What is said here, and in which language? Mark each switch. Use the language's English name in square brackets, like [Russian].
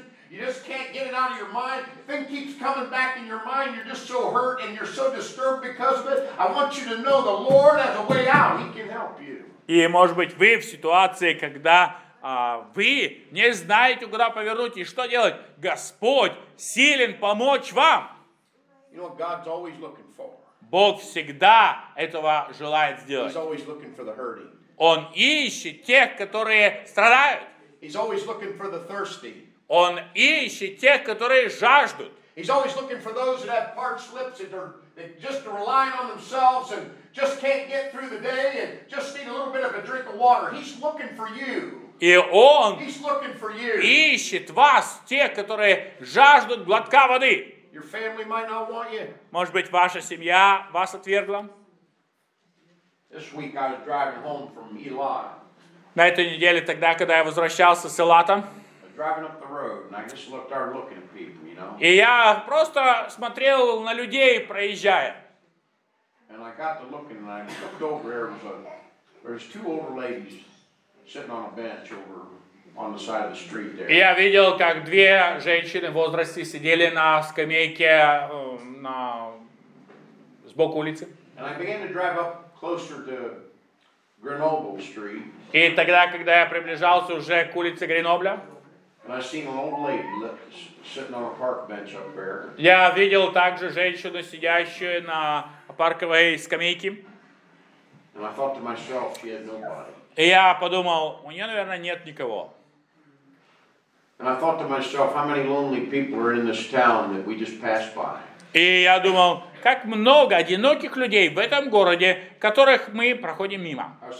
[English] You just can't get it out of your mind. Thing keeps coming back in your mind. You're just so hurt and you're so disturbed because of it. I want you to know the Lord has a way out. He can help you. [Russian] И, может быть, вы в ситуации, когда вы не знаете, куда повернуть и что делать. Господь силен помочь вам. [English] You know what God's always looking for? [Russian] Бог всегда этого желает сделать. [English] He's always looking for the hurting. [Russian] Он ищет тех, которые страдают. [English] He's always looking for the thirsty. [Russian] Он ищет тех, которые жаждут. [English] He's always looking for those that have parched lips and that just rely on themselves and just can't get through the day and just need a little bit of a drink of water. He's looking for you. [Russian] И он [English] He's looking for you. [Russian] Ищет вас, тех, которые жаждут глотка воды. [English] Your family might not want you. [Russian] Может быть, ваша семья вас отвергла? [English] This week I was driving home from Eli. [Russian] На этой неделе тогда, когда я возвращался с Элатом, [English] driving up the road, and I just looked out looking at people, you know. [Russian] И я просто смотрел на людей, проезжая. [English] And I got to looking, and I looked over there, and there's two older ladies sitting on a bench over on the side of the street there. [Russian] И я видел, как две женщины в возрасте сидели на скамейке на сбоку улицы. [English] And I began to drive up closer to Grenoble Street. [Russian] И тогда, когда я приближался уже к улице Гренобля, [English] and I seen an old lady sitting on a park bench up there. [Russian] Я видел также женщину, сидящую на парковой скамейке. [English] And I thought to myself, she had nobody. [Russian] И я подумал, у нее, наверное, нет никого. [English] And I thought to myself, how many lonely people are in this town that we just passed by. [Russian] И я думал, как много одиноких людей в этом городе, которых мы проходим мимо.